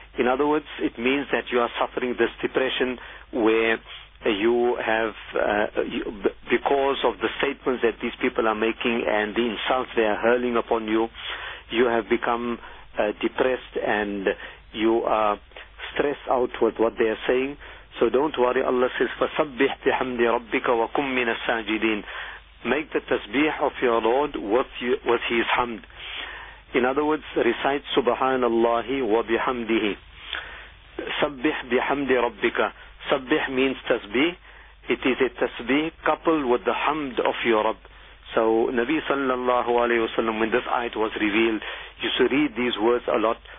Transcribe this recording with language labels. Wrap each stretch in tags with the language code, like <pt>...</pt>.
<en>In other words, it means that you are suffering this depression where you have, because of the statements that these people are making and the insults they are hurling upon you, you have become depressed and you are stressed out with what they are saying. So don't worry. Allah says,</en> <ar>فَصَبِّحْ بِحَمْدِ رَبِّكَ وَكُمْ مِنَ السَّاجِدِينَ.</ar> <en>Make the tasbih of your Lord with his hamd. In other words, recite</en> <ar>Subhanallah wa bihamdihi. Sabbih bihamdi rabbika.</ar> <en>Sabbih means tasbih. It is a tasbih coupled with the hamd of your Rabb. So Nabi sallallahu alayhi wasallam, when this ayat was revealed, you should read these words a lot.</en>